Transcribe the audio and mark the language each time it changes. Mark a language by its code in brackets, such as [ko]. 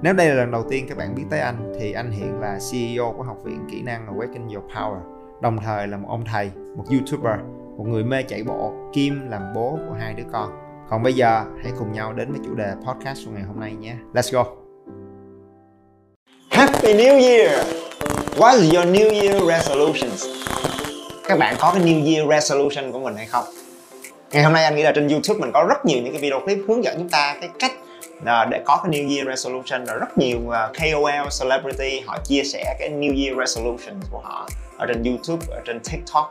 [vi] Nếu đây là lần đầu tiên các bạn biết tới anh, thì anh hiện là CEO của Học viện Kỹ năng Awaken Your Power, đồng thời là một ông thầy, một YouTuber, một người mê chạy bộ, kim làm bố của hai đứa con. Còn bây giờ, hãy cùng nhau đến với chủ đề podcast của ngày hôm nay nhé. [en] Let's go! Happy New Year! What's your New Year resolutions? [vi] Các bạn có cái New Year resolution của mình hay không? Ngày hôm nay anh nghĩ là trên YouTube mình có rất nhiều những cái video clip hướng dẫn chúng ta cái cách để có cái New Year resolution. Rất nhiều KOL, celebrity họ chia sẻ cái New Year resolution của họ ở trên YouTube, ở trên TikTok.